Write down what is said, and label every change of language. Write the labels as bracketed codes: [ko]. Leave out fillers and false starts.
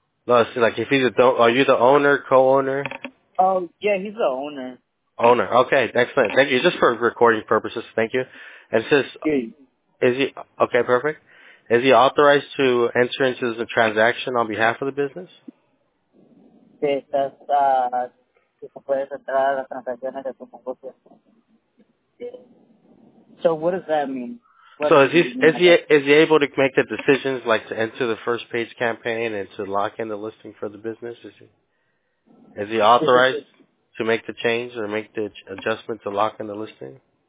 [en] No, it's like if he's are you the owner, co-owner? Yeah, he's the owner. Owner, okay, excellent. Thank you. Just for recording purposes, thank you. And says, is he, okay, perfect. Is he authorized to enter into the transaction on behalf of the business? [es] Sí, puedes entrar a las transacciones de tu negocio. [en] So what does that mean? So is he able to make the decisions like to enter the first page campaign and to lock in the listing for the business? Is he authorized to make the change or make the adjustment to lock in the listing?